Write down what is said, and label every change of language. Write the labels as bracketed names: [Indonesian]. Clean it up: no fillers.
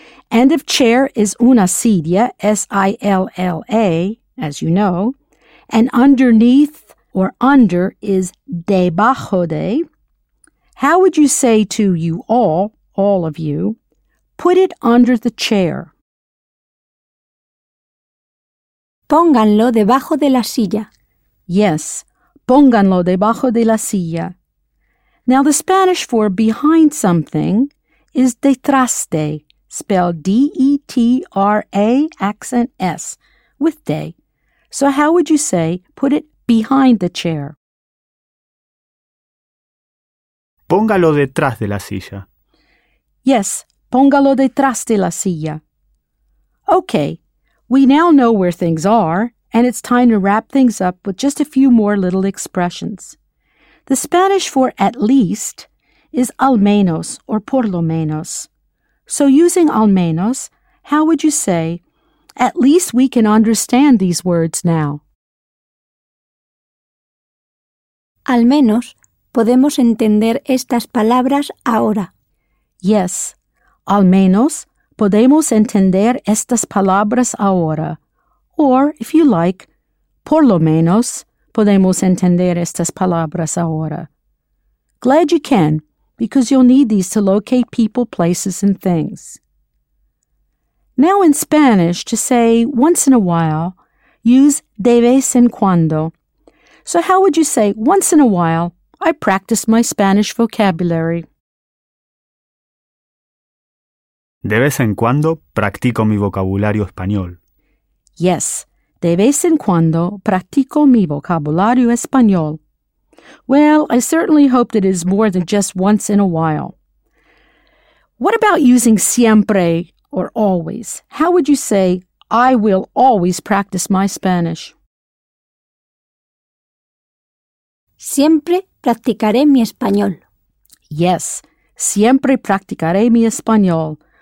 [English] End of chair is una silla, S-I-L-L-A, as you know. And underneath or under is debajo de. How would you say to you all of you, put it under the chair? [Spanish] Pónganlo debajo de la silla. Yes, pónganlo debajo de la silla. [English] Now the Spanish for behind something is detrás de, spelled D-E-T-R-A, accent S, with de. So how would you say, put it behind the chair? [Spanish] Póngalo detrás de la silla. Yes, póngalo detrás de la silla. [English] Okay, we now know where things are, and it's time to wrap things up with just a few more little expressions. The Spanish for at least is al menos or por lo menos. So using al menos, how would you say, at least we can understand these words now? [Spanish] Al menos podemos entender estas palabras ahora. Yes, al menos podemos entender estas palabras ahora. Or, if you like, por lo menos podemos entender estas palabras ahora. [English] Glad you can, because you'll need these to locate people, places, and things. Now in Spanish, to say once in a while, use de vez en cuando. So how would you say once in a while, I practice my Spanish vocabulary? [Spanish] De vez en cuando, practico mi vocabulario español. Yes, de vez en cuando, practico mi vocabulario español. [English] Well, I certainly hope that it is more than just once in a while. What about using siempre or always? How would you say, I will always practice my Spanish? [Spanish] Siempre practicaré mi español. Yes, siempre practicaré mi español.